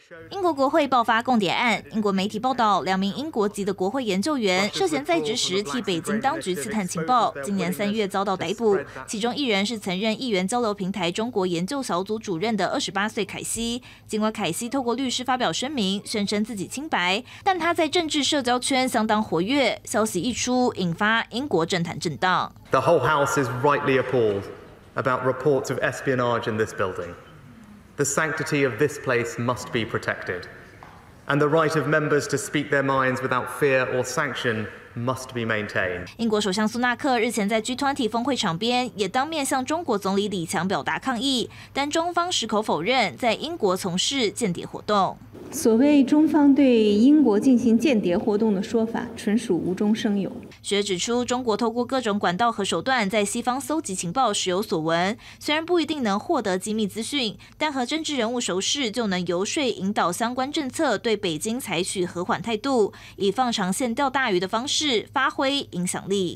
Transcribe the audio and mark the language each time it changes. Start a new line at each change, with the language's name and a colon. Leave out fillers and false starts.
Chinese: 英国国会爆发共谍案，英国媒体报道，两名英国籍的国会研究员涉嫌在职时替北京当局刺探情报，今年三月遭到逮捕。其中一人是曾任议员交流平台中国研究小组主任的28岁凯西。尽管凯西透过律师发表声明，宣称自己清白，但他在政治社交圈相当活跃，消息一出，引发英国政坛震荡。
English: The whole house is rightly appalled about reports of espionage in this building. The sanctity of this place must be protected, and the right of members to speak their minds without fear or sanction must be maintained.
Chinese: 英国首相苏纳克日前在 G20 峰会场边也当面向中国总理李强表达抗议，但中方矢口否认在英国从事间谍活动。所谓中方对英国进行间谍活动的说法，纯属无中生有。学者指出，中国透过各种管道和手段在西方搜集情报时有所闻，虽然不一定能获得机密资讯，但和政治人物熟识就能游说引导相关政策对北京采取和缓态度，以放长线钓大鱼的方式发挥影响力。